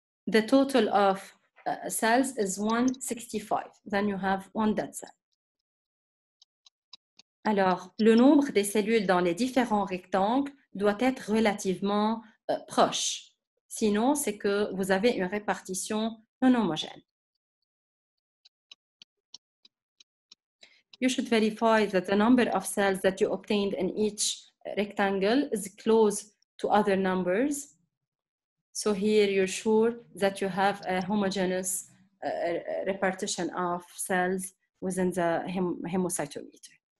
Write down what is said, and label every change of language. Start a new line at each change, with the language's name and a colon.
English: The total of cells is 165. Then you have one dead cell.
French: Alors, le nombre des cellules dans les différents rectangles doit être relativement proche. Sinon, c'est que vous avez une répartition non homogène.
English: You should verify that the number of cells that you obtained in each rectangle is close to other numbers. So here you're sure that you have a homogeneous repartition of cells within the hemocytometer.